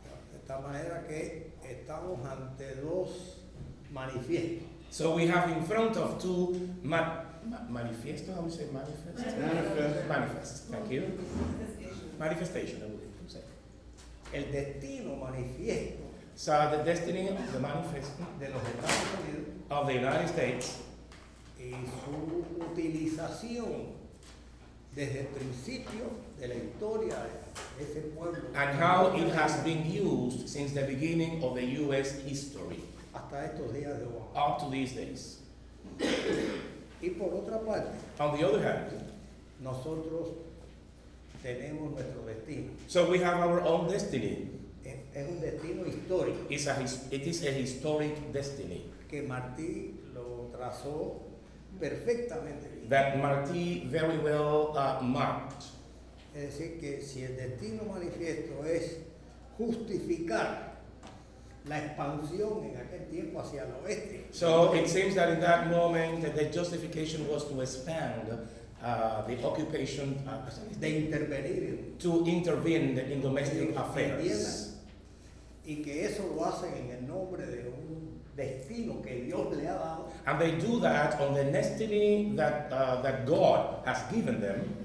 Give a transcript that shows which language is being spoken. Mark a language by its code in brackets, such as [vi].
[es] De esta manera que estamos ante dos manifiestos. [en] So we have in front of two manifiestos, how do you say manifest? Manifest, thank you. Manifestation, I would say. [es] El destino manifiesto. [en] So the destiny of the manifest. [es] De los Estados Unidos. [en] Of the United States. [es] Y su utilización desde el principio de la historia de ese pueblo. [en] And how it has been used since the beginning of the U.S. history. [es] Hasta estos días de hoy. [en] Up to these days. [es] Y por otra parte. [en] On the other hand. [es] Nosotros tenemos nuestro destino. [en] So we have our own destiny. [es] Es un destino histórico. [en] It is a historic destiny. [es] Que Martí lo trazó. Perfectamente. [en] That Martí very well marked. [es] Es decir, que si el destino manifiesto es justificar la expansión en aquel tiempo hacia el oeste. [en] So it seems that in that moment the justification was to expand the occupation, [es] de intervenir, [en] to intervene in domestic affairs. [es] Y que eso lo hacen en el nombre de un destino que Dios le ha dado. [en] And they do that on the destiny that that God has given them.